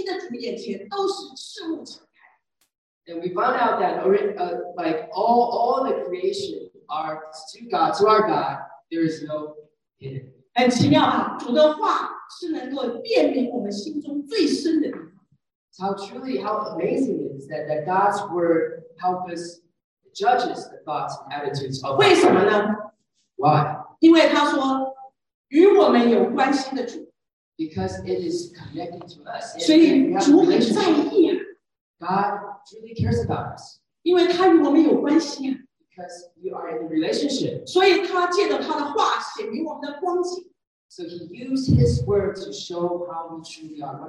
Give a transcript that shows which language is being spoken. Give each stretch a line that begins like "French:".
Chinese: 原来万物在那与我们有关系的主眼前都是事物敞开。
English: And we found out that like all the creation are to God, to our God, there is no hidden.
Chinese: 很奇妙啊，主的话是能够辨明我们心中最深的地方。
English: How truly, how amazing it is that God's word help us judges the thoughts and attitudes of God.
Chinese: 为什么呢？
English: Why?
Chinese: 因为他说与我们有关系的主，
English: because it is connected to us.
Chinese: 所以主很在意啊。
English: God truly cares about us.
Chinese: 因为他与我们有关系啊。
English: Because you are in a relationship.
Chinese: 所以他借着他的话显明我们的光景。
English: So he used his word to show how we truly are.